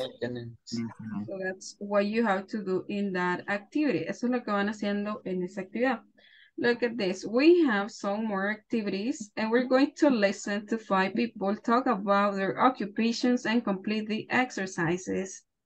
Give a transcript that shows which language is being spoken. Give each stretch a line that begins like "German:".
English: So that's what you have to do in that activity.
Spanish: Eso es lo que van haciendo en esa actividad.
English: Look at this. We have some more activities and we're going to listen to 5 people talk about their occupations and complete the exercises.